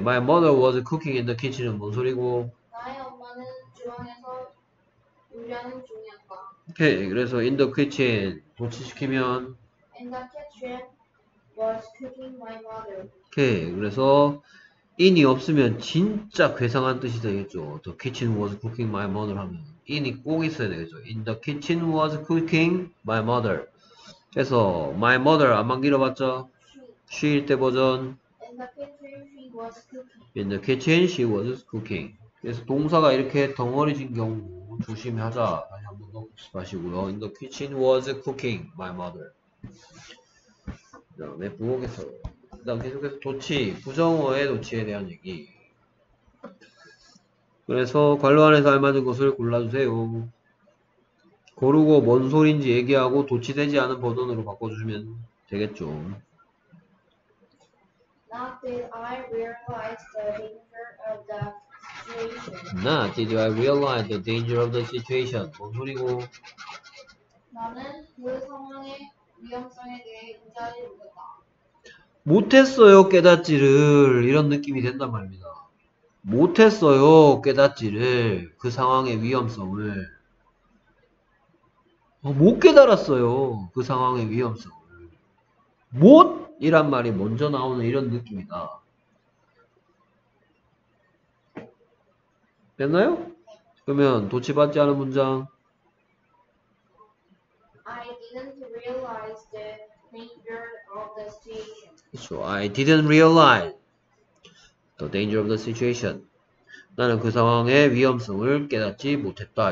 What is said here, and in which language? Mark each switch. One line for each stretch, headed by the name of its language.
English: Okay, my mother was cooking in the kitchen은
Korean: 뭔 소리고? 나의 엄마는 주방에서 요리하는 중이었다. 오케이. 그래서
English: in the kitchen
Korean: 도치시키면
English: In the kitchen was cooking my mother.
Korean: 오케이. 그래서 in이 없으면 진짜 괴상한 뜻이 되겠죠.
English: The kitchen was cooking my mother
Korean: 하면 in이 꼭 있어야 되겠죠.
English: In the kitchen was cooking my mother.
Korean: 그래서 my mother 안만 길어봤죠? she일 때 버전.
English: In the kitchen she was cooking. In the kitchen, she was cooking.
Korean: 그래서 동사가 이렇게 덩어리진 경우 조심하자. 다시 한번 더 복습하시고요.
English: In the kitchen was cooking my mother.
Korean: 그다음에 부엌에서. 그다음 계속해서 도치, 부정어의 도치에 대한 얘기. 그래서 관로 안에서 알맞은 것을 골라주세요. 고르고 뭔 소린지 얘기하고 도치되지 않은 버전으로 바꿔주시면 되겠죠.
English: Not did I realize the danger of the situation. Not did I realize the danger of the situation.
Korean: 뭔 소리고? 나는 그 상황의 위험성에 대해 인지하지 못했다. 못했어요, 깨닫지를. 이런 느낌이 된단 말입니다. 못했어요, 깨닫지를. 그 상황의 위험성을. 못 깨달았어요, 그 상황의 위험성을. 못! 이란 말이 먼저 나오는 이런 느낌이다. 됐나요? 그러면 도치 받지 않은 문장.
English: I didn't realize the danger of the situation. So I didn't realize the danger of the situation.
Korean: 나는 그 상황의 위험성을 깨닫지 못했다.